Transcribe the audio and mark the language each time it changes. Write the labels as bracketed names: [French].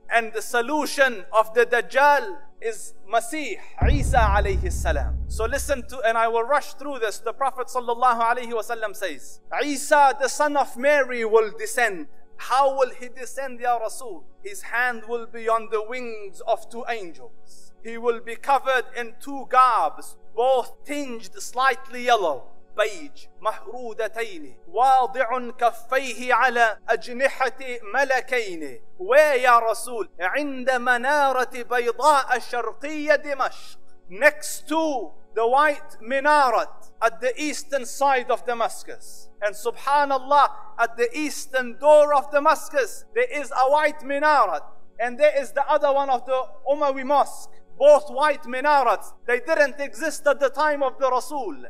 [English] And the solution of the Dajjal is Masih, Isa alayhi salam. So listen to, and I will rush through this. The Prophet sallallahu alayhi wa sallam says, Isa, the son of Mary, will descend. How will he descend, Ya Rasul? His hand will be on the wings of two angels. he will be covered in two garbs, both tinged slightly yellow, beige, [Arabic] محرودتين, واضع كفيه على أجنحة ملكين, ويا رسول عند منارة بيضاء الشرقية دمشق. [English] Next to the white minaret at the eastern side of Damascus. And subhanallah, at the eastern door of Damascus, there is a white minaret. And there is the other one of the Umayyad mosque. Both white minarets, they didn't exist at the time of the Rasul.